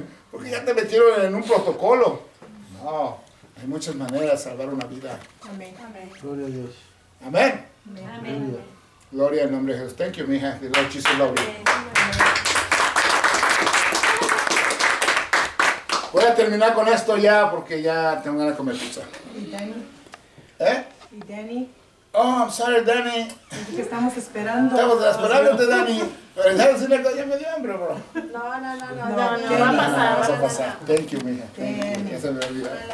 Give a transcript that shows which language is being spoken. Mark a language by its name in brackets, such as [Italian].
[Spanish] Porque ya te metieron en un protocolo. No, hay muchas maneras de salvar una vida. Amén. Gloria a Dios. Amén. Amén. Gloria al nombre de Jesús. [English] Thank you, mija. The Lord Jesus loves you. [Spanish] Voy a terminar con esto ya porque ya tengo ganas de comer pizza. ¿Y Dani? ¿Eh? ¿Y Dani? [English] Oh, I'm sorry, Dani. [Spanish] Que estamos esperando. Estamos esperando de Dani. Pero ya me dio hambre, bro. No, no, no. Va a pasar. [English] Thank you, [Spanish] mija. Que se me olvida.